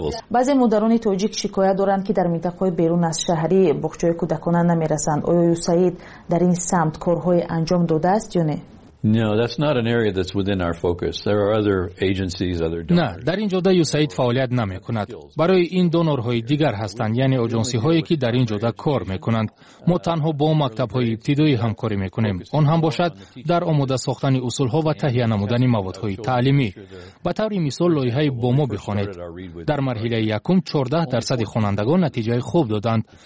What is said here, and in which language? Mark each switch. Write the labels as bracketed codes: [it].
[fa] بعضی مادران تاجیک شکایت دارند که در منطقه بیرون از شهری بخچه کودکان نمیرسند. آیا یوسعید در این سمت کارهای انجام داده است یا نه؟ [en] No, that's not an area that's within our focus. There are other agencies, other donors. [fa] نه، در این جاده یوسایید فعالیت نمی‌کند. برای این دونورهای دیگر هستند، یعنی آژانسی‌هایی که در این جاده کار می‌کنند. ما تنها با مکتب‌های ابتدایی همکاری می‌کنیم. آن هم باشد در آماده ساختن اصول‌ها و تهیه نمودن موادهای تعلیمی. به طور مثال لایحه با ما بخوانید. در مرحله یکم 14% خوانندگان نتیجه خوب دادند.